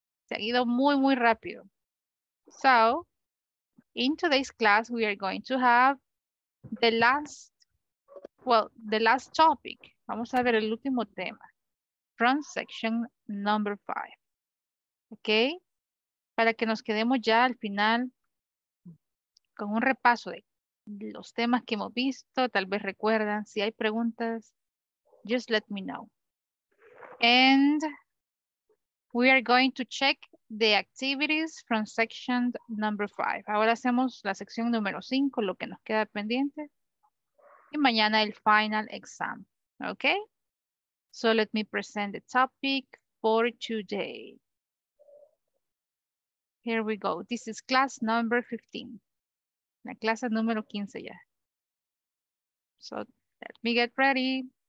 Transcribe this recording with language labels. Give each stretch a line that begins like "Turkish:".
Spanish: Se ha ido muy, muy rápido.
English: So, in today's class, we are going to have the last topic.
Spanish: Vamos a ver el último tema.
English: From section number 5.
Spanish: ¿Ok? Para que nos quedemos ya al final con un repaso de los temas que hemos visto. Tal vez recuerdan. Si hay preguntas,
English: just let me know. And we are going to check the activities from section number 5.
Spanish: Ahora hacemos la sección número 5, lo que nos queda pendiente. Y mañana el final exam, okay?
English: So let me present the topic for today. Here we go. This is class number 15.
Spanish: La clase número 15 ya.
English: So let me get ready.